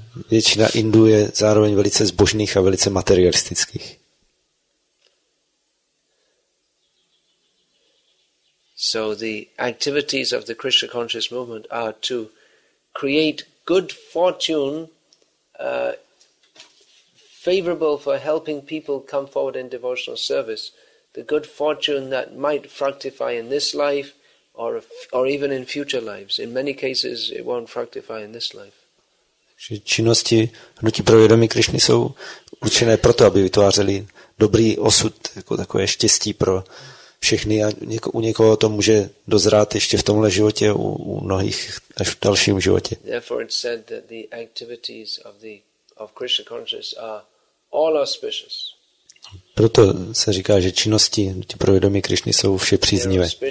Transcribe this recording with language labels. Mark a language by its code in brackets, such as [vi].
[cs] Většina Indů je zároveň velice zbožných a velice materialistických. [en] So the activities of the Krishna conscious movement are to create good fortune favorable for helping people come forward in devotional service. The good fortune that might fructify in this life or even in future lives. In many cases it won't fructify in this life. [cs] Že činnosti hnutí pro vědomí Krišny jsou určené proto, aby vytvářely dobrý osud, jako takové štěstí pro všechny. A u někoho to může dozrát ještě v tomhle životě, u mnohých až v dalším životě. [en] Therefore it's said that the activities of Krishna consciousness are all auspicious. [cs] Proto se říká, že činnosti pro vědomí Krišny jsou vše příznivé.